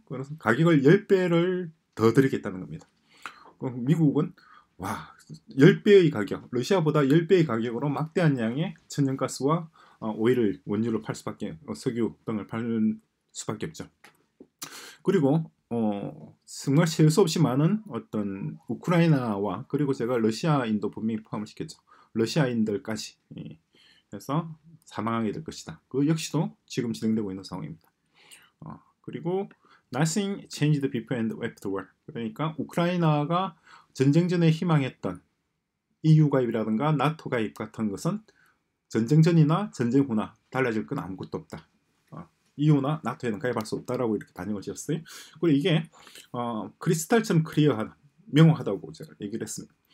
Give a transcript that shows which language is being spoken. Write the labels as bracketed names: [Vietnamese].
[Korean] 그래서 가격을 10배를 더 드리겠다는 겁니다. 미국은 와 10배의 가격, 러시아보다 10배의 가격으로 막대한 양의 천연가스와 오일을 원유를 팔 수밖에 석유 등을 팔 수밖에 없죠. 그리고 정말 셀수 없이 많은 어떤 우크라이나와 그리고 제가 러시아인도 분명히 포함을 시켰죠. 러시아인들까지 해서 사망하게 될 것이다. 그 역시도 지금 진행되고 있는 상황입니다. 그리고 [English] Nothing changed before and after. [Korean] 그러니까 우크라이나가 전쟁 전에 희망했던 EU 가입이라든가 나토 가입 같은 것은 전쟁 전이나 전쟁 후나 달라질 건 아무것도 없다. EU나 나토에는 가입할 수 없다라고 이렇게 단정을 지었어요. 그리고 이게 크리스탈처럼 클리어하다, 명확하다고 제가 얘기를 했습니다.